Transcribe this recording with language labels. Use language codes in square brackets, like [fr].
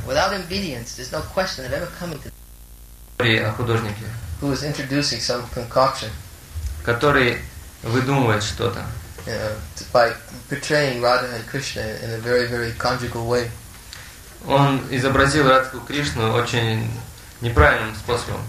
[en] Without obedience, there's no question of ever coming to [ru] the о художнике, [en] who is introducing some concoction, [ru] который выдумывает что-то, [en] by portraying Radha and Krishna in a very, very conjugal way. [ru] Он изобразил Радху Кришну очень неправильным способом.